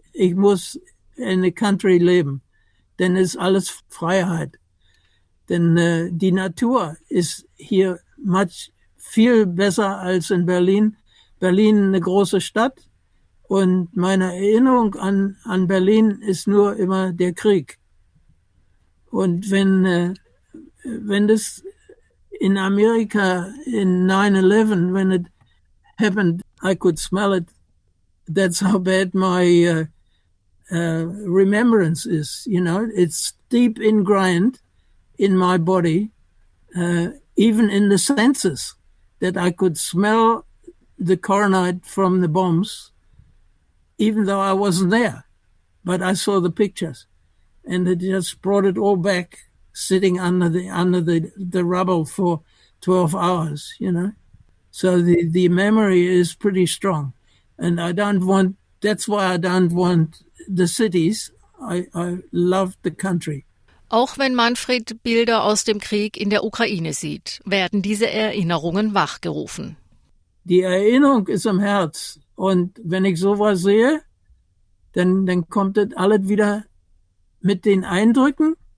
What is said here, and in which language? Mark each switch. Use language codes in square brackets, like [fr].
[de] Ich muss [en] in the country [de] leben, denn es ist alles Freiheit. Denn die Natur ist hier much viel besser als in Berlin. Berlin eine große Stadt und meine Erinnerung an Berlin ist nur immer der Krieg. Und wenn das in Amerika, in [en] 9-11, when it happened, I could smell it. That's how bad my remembrance is. You know, it's deep ingrained in my body, even in the senses, that I could smell the coronite from the bombs, even though I wasn't there. But I saw the pictures, and it just brought it all back. Sitting under the rubble for 12 hours, you know. So the memory is pretty strong. And I don't want, that's why I don't want the cities. I love the country. [de] Auch wenn Manfred Bilder aus dem Krieg in der Ukraine sieht, werden diese Erinnerungen wachgerufen. Die Erinnerung ist im Herz. Und wenn ich sowas sehe, dann kommt das alles wieder mit den Eindrücken.